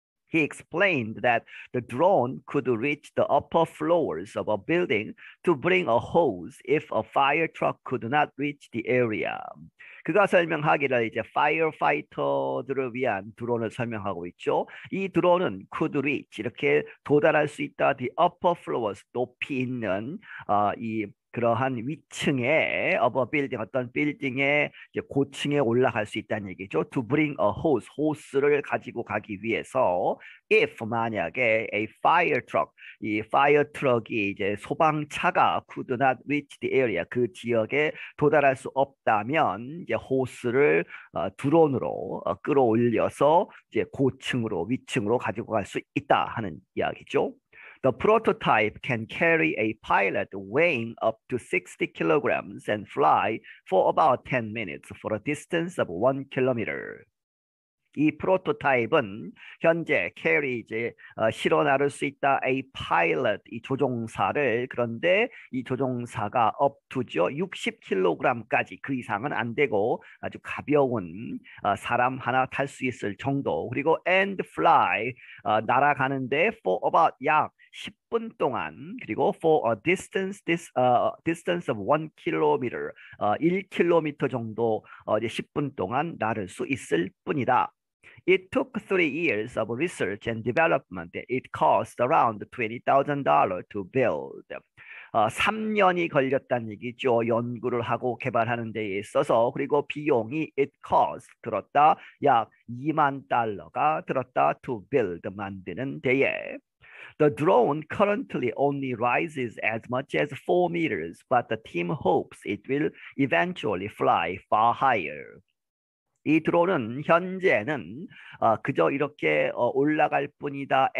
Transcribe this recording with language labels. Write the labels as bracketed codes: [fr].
[en] He explained that the drone could reach the upper floors of a building to bring a hose if a fire truck could not reach the area. [ko] 그가 설명하기를 이제 파이어파이터들을 위한 드론을 설명하고 있죠. 이 드론은 [en] could reach [ko] 이렇게 도달할 수 있다. [en] The upper floors [ko] 높이 있는 이 그러한 위층에 [en] of a building [ko] 어떤 빌딩의 고층에 올라갈 수 있다는 얘기죠. [en] To bring a hose, [ko] 호스를 가지고 가기 위해서 if 만약에 a fire truck, 이 fire truck이 이제 소방차가 [en] could not reach the area [ko] 그 지역에 도달할 수 없다면 이제 호스를 드론으로 끌어올려서 이제 고층으로 위층으로 가지고 갈수 있다 하는 이야기죠. [en] The prototype can carry a pilot weighing up to 60 kilograms and fly for about 10 minutes for a distance of 1 kilometer. [ko] 이 프로토타입은 현재 캐리 이제 실어 나를 수 있다. [en] A pilot [ko] 이 조종사를 그런데 이 조종사가 [en] up to [ko] 죠 60kg까지 그 이상은 안 되고 아주 가벼운 사람 하나 탈수 있을 정도. 그리고 [en] and fly [ko] 날아가는데 [en] for about [ko] 약 10분 동안 그리고 [en] for a distance distance of 1 km [ko] 1km 정도 이제 10분 동안 날을 수 있을 뿐이다. [en] It took 3 years of research and development. It cost around $20,000 to build. [ko] 3년이 걸렸다는 얘기죠. 연구를 하고 개발하는 데 있어서. 그리고 비용이 [en] it cost [ko] 들었다. 약 2만 달러가 들었다. [en] To build [ko] 만드는 데에. [en] The drone currently only rises as much as 4 meters, but the team hopes it will eventually fly far higher. [ko] 이 드론은 현재는 그저 이렇게 올라갈 뿐이다.